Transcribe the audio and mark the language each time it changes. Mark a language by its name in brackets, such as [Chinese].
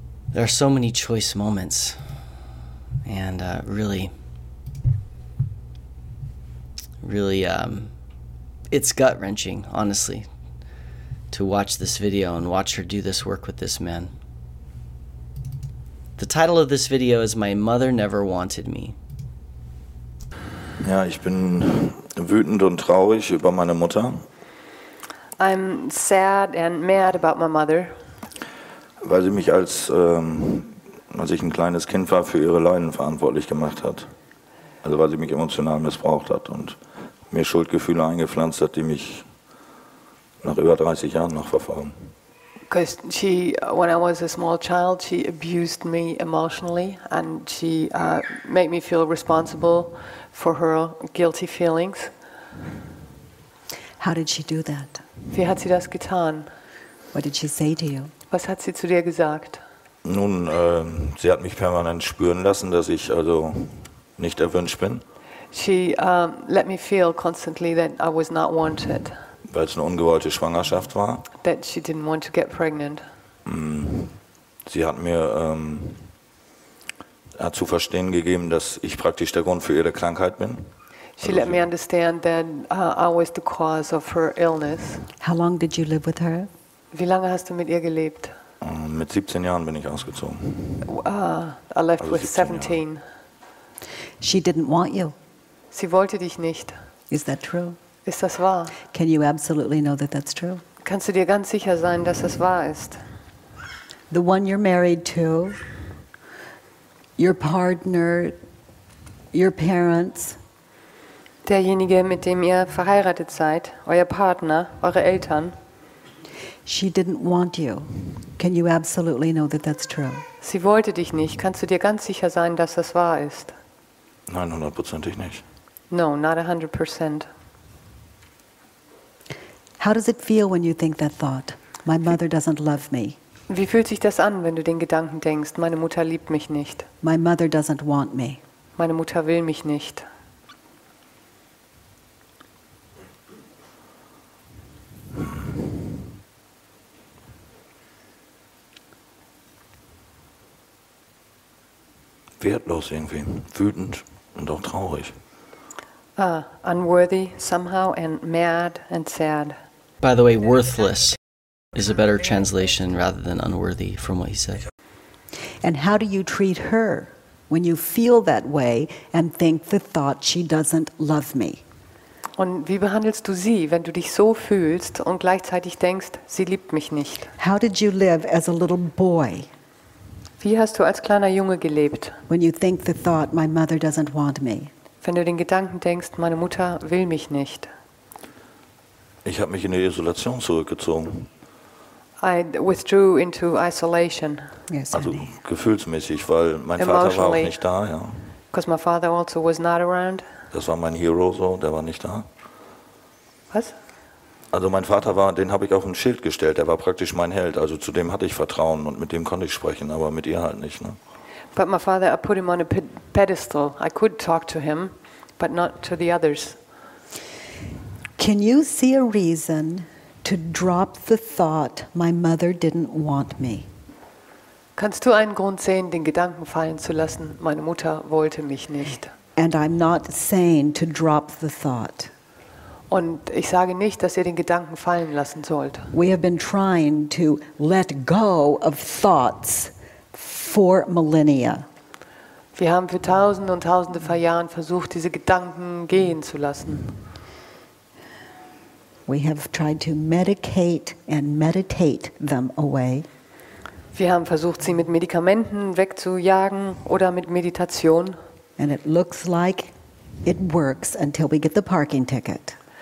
[English] There are so many choice moments. And really, it's gut-wrenching, honestly, to watch this video and watch her do this work with this man. The title of this video is My Mother Never Wanted Me. [German] Ja, ich bin wütend und traurig über meine Mutter. [English] I'm sad and mad about my mother. [German] Weil sie mich als ich ein kleines Kind war, für ihre Leiden verantwortlich gemacht hat. Also weil sie mich emotional missbraucht hat und mir Schuldgefühle eingepflanzt hat, die mich nach über 30 Jahren noch verfolgen. [English] Because she, when I was a small child, she abused me emotionally and she made me feel responsible for her guilty feelings. How did she do that? [German] Wie hat sie das getan? [English] What did she say to you? [German] Was hat sie zu dir gesagt? Nun, sie hat mich permanent spüren lassen, dass ich also nicht erwünscht bin. [English] She let me feel constantly that I was not wanted. [German] Weil es eine ungewollte Schwangerschaft war. [English] That she didn't want to get pregnant. [German] Sie hat mir hat zu verstehen gegeben, dass ich praktisch der Grund für ihre Krankheit bin. [English] She let me understand that I was the cause of her illness. How long did you live with her? [German] Wie lange hast du mit ihr gelebt? Mit 17 Jahren bin ich ausgezogen. [English] I left also with 17. She didn't want you. [German] Sie wollte dich nicht. [English] Is that true? [German] Ist das wahr? [English] Can you absolutely know that that's true? [German] Kannst du dir ganz sicher sein, dass das wahr ist? [English] The one you're married to, your partner, your parents. [German] Derjenige, mit dem ihr verheiratet seid, euer Partner, eure Eltern. [English] She didn't want you. Can you absolutely know that that's true? [German] Sie wollte dich nicht. Kannst du dir ganz sicher sein, dass das wahr ist? Nein, hundertprozentig nicht. [English] No, not 100%. How does it feel when you think that thought? My mother doesn't love me. [German] Wie fühlt sich das an, wenn du den Gedanken denkst, meine Mutter liebt mich nicht? [English] My mother doesn't want me. [German] Meine Mutter will mich nicht. Wertlos irgendwie, wütend und auch traurig. [English] Unworthy somehow and mad and sad. By the way, worthless is a better translation rather than unworthy from what he said. And how do you treat her when you feel that way and think the thought she doesn't love me? [German] Und wie behandelst du sie, wenn du dich so fühlst und gleichzeitig denkst, sie liebt mich nicht? [English] How did you live as a little boy? [German] Wie hast du als kleiner Junge gelebt? [English] When you think the thought, my mother doesn't want me. [German] Wenn du den Gedanken denkst, meine Mutter will mich nicht. Ich habe mich in die Isolation zurückgezogen. [English] I withdrew into isolation. Yes, [German] also gefühlsmäßig, weil mein Vater war auch nicht da, ja. [English] Because my father also was not around. [German] Das war mein Hero, so, der war nicht da. Was? Also mein Vater war, den habe ich auf ein Schild gestellt, der war praktisch mein Held, also zu dem hatte ich Vertrauen und mit dem konnte ich sprechen, aber mit ihr halt nicht. Ne? [English] But my father, I put him on a pedestal. I could talk to him, but not to the others. Can you see a reason to drop the thought my mother didn't want me? [German] Kannst du einen Grund sehen, den Gedanken fallen zu lassen, meine Mutter wollte mich nicht? [English] And I'm not saying to drop the thought. [German] Und ich sage nicht, dass ihr den Gedanken fallen lassen sollt. [English] We have been trying to let go of thoughts for millennia. [German] Wir haben für tausende und tausende von Jahren versucht, diese Gedanken gehen zu lassen. [English] We have tried to medicate and meditate them away. [German] Wir haben versucht, sie mit Medikamenten wegzujagen oder mit Meditation. [English] And it looks like it works until we get the parking ticket.